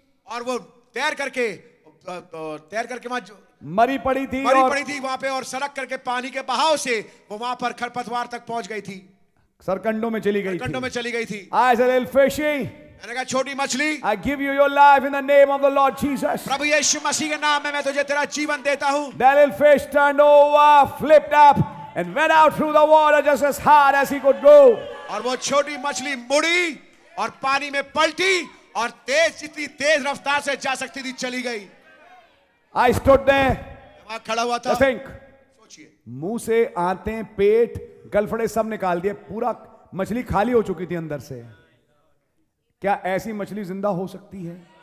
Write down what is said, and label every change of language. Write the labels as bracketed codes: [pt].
[hi] और वो तैर करके वहां मरी पड़ी थी वहां पे. और सड़क करके पानी के बहाव से वो वहां पर खरपतवार तक पहुंच गई थी. सरकंडों में चली गई थी. [en] I said little fishy. I give you your life in the name of the Lord Jesus. [hi] प्रभु यीशु मसीह के नाम में मैं तुझे तेरा जीवन देता हूँ. [en] That little fish turned over, flipped up, and went out through the water just as hard as he could go. [hi] और वो छोटी मछली मुड़ी और पानी में पलटी और तेज जितनी तेज रफ्तार से जा सकती थी चली गई. [en] I stood there. [hi] मैं खड़ा हुआ था. [en] Just think. सोचिए. [hi] मुंह से आते पेट गलफड़े सब निकाल दिए. पूरा मछली खाली हो चुकी थी अंदर से. क्या ऐसी मछली जिंदा हो सकती है?